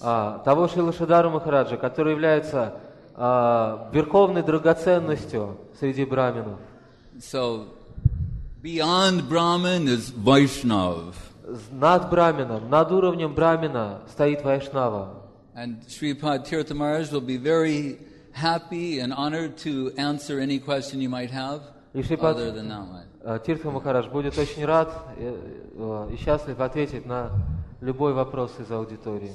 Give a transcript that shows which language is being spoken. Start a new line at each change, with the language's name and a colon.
Russian: Того Шрилы Шридхара Махараджа, который является верховной драгоценностью среди брахманов.
English: So, beyond Brahman is Vaishnav.
Russian: Над брахманом, над уровнем брахмана стоит Вайшнава.
English: And Shripad Tirtha Maharaj will be very happy and honored to answer any question you might have other than that one.
Russian: Tirtha Maharaj будет очень рад и счастлив ответить на любой вопрос из аудитории.